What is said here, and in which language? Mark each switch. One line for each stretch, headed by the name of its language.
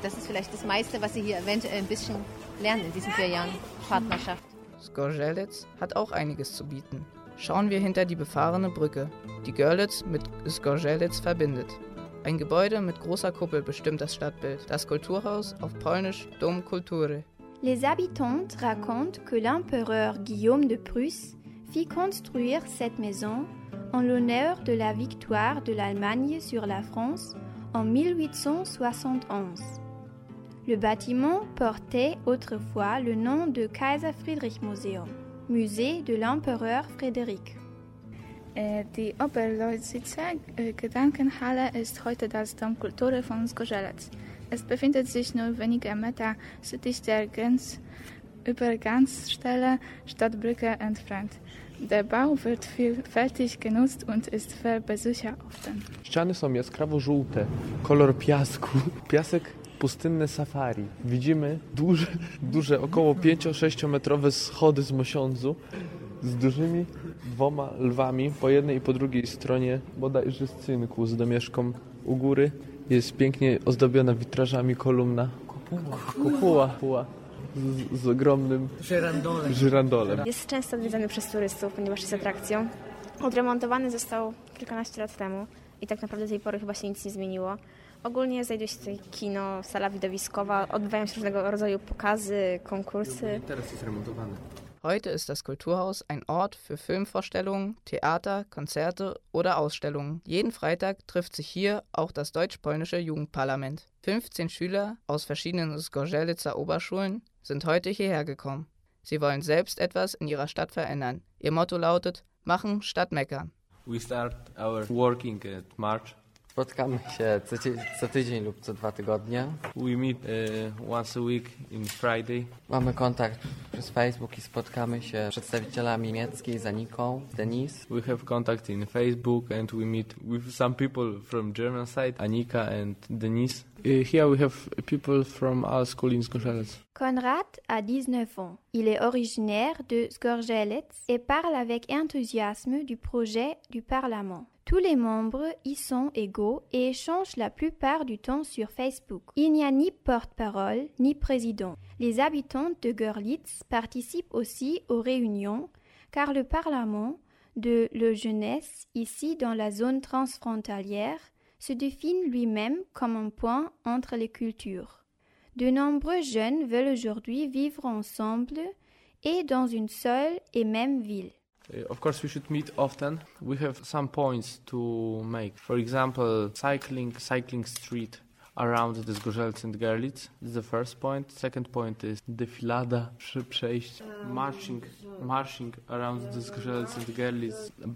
German: Das ist vielleicht das meiste, was sie hier eventuell ein bisschen lernen in diesen 4 Jahren Partnerschaft. Skorzelitz hat auch einiges zu bieten. Schauen wir hinter die befahrene Brücke, die Görlitz mit Skorzelitz verbindet. Ein Gebäude mit großer Kuppel bestimmt das Stadtbild. Das Kulturhaus auf Polnisch Dom Kultury.
French: Les habitants racontent que l'empereur Guillaume de Prusse fit construire cette maison en l'honneur de la victoire de l'Allemagne sur la France en 1871. Le bâtiment portait autrefois le nom de Kaiser Friedrich Museum, musée de l'empereur Frédéric.
German: Die Oberlausitzer Gedankenhalle ist heute das Domkultur von Zgorzelec. Es befindet sich nur wenige Meter südlich der Grenzübergangsstelle Stadtbrücke entfernt. Der Bau wird vielfältig genutzt und ist für Besucher offen.
Polish: Ściany są jaskrawo-żółte, kolor piasku. Piasek pustynne safari. Widzimy duże około 5-6-metrowe schody z mosiądzu. Z dużymi dwoma lwami po jednej i po drugiej stronie, bodajże z cynku, z domieszką u góry, jest pięknie ozdobiona witrażami kolumna. Kupuła. Z ogromnym żyrandolem. Jest często odwiedzany przez turystów, ponieważ jest atrakcją. Odremontowany został kilkanaście lat temu i tak naprawdę do tej pory chyba się nic nie zmieniło. Ogólnie znajduje się tutaj kino, sala widowiskowa, odbywają się różnego rodzaju pokazy, konkursy. I teraz jest remontowany.
German: Heute ist das Kulturhaus ein Ort für Filmvorstellungen, Theater, Konzerte oder Ausstellungen. Jeden Freitag trifft sich hier auch das deutsch-polnische Jugendparlament. 15 Schüler aus verschiedenen Zgorzelecer Oberschulen sind heute hierher gekommen. Sie wollen selbst etwas in ihrer Stadt verändern. Ihr Motto lautet: Machen statt meckern.
English: We start our working at March.
Polish: Spotkamy się co tydzień lub co dwa tygodnie.
English: We meet once a week in Friday.
Polish: Mamy kontakt przez Facebook i spotkamy się z przedstawicielami Mieckiej, z Aniką, z Denise.
English: We have contact in Facebook and we meet with some people from German side, Anika and Denise. Here we have people from our school in Zgorzelec.
French: Konrad a 19 ans. Il est originaire de Zgorzelec et parle avec enthousiasme du projet du Parlement. Tous les membres y sont égaux et échangent la plupart du temps sur Facebook. Il n'y a ni porte-parole, ni président. Les habitants de Görlitz participent aussi aux réunions, car le Parlement de la jeunesse, ici dans la zone transfrontalière, se définit lui-même comme un point entre les cultures. De nombreux jeunes veulent aujourd'hui vivre ensemble et dans une seule et même ville.
English: Of course, we should meet often. We have some points to make. For example, cycling street around the Zgorzelec and Görlitz is the first point. Second point is
Polish: defilada, przejść,
English: marching around the Zgorzelec and Görlitz.